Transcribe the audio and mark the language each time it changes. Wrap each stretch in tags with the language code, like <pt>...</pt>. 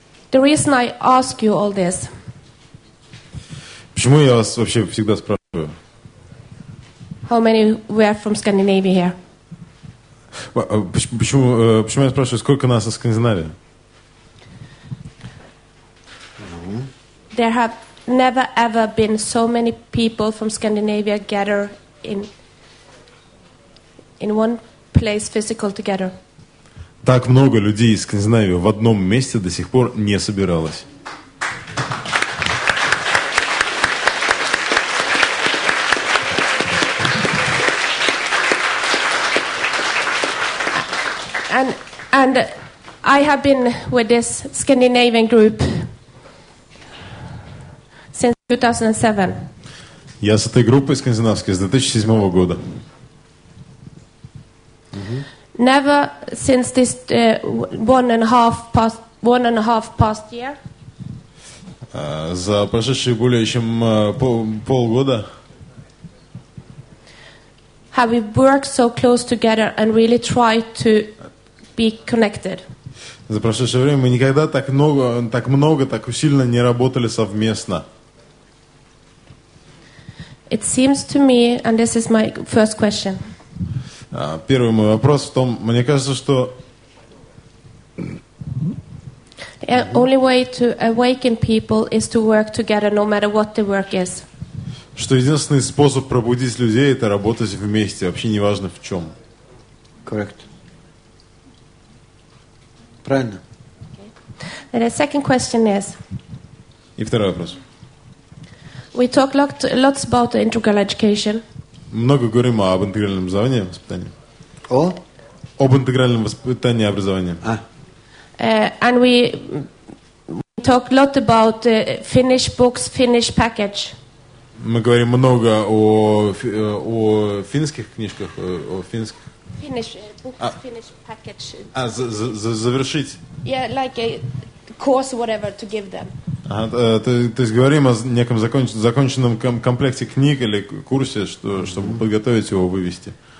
<en>The reason I ask you all this.</en> <ru>Почему я вас вообще всегда спрашиваю?</ru> <en>How many were from Scandinavia here?</en> <ru>Почему я спрашиваю, сколько нас из Скандинавии?</ru> <en>There have never ever been so many people from Scandinavia gather in one place physical together.</en> <ru>Так много людей из Скандинавии в одном месте до сих пор не собиралось.</ru> <en>And And I have been with this Scandinavian group since 2007.</en> <ru>Я с этой группой скандинавской с 2007 года.</ru> <en>Never since this one and a half past year.</en> <ru>За прошедшие более чем полгода.</ru> <en>Have we worked so close together and really tried to be connected?</en> <ru>За прошедшее время мы никогда так много, так усиленно не работали совместно.</ru> <en>It seems to me, and this is my first question.</en> <ru>Первый мой вопрос в том, мне кажется, что</ru> <en>the only way to awaken people is to work together, no matter what the work is.</en> <ru>Что единственный способ пробудить людей – это работать вместе, вообще неважно в чем.</ru> <en>Correct.</en> <ru>Правильно.</ru> <en>Okay. The second question is.</en> <ru>И второй вопрос.</ru> <en>We talk lots about the integral education.</en> <ru>Много говорим об интегральном образовании, воспитании. О? Об интегральном воспитании, образовании. А.</ru> <en>And we talk a lot about Finnish books, Finnish package.</en> <ru>Мы говорим много о финских книжках, о финских.</ru> <en>Finnish books, Finnish package.</en> <ru>Завершить.</ru> <en>Yeah, like a course, whatever to give them.</en> <ru>То есть говорим о неком законченном комплекте книг или курсе, чтобы подготовить его, вывести.</ru>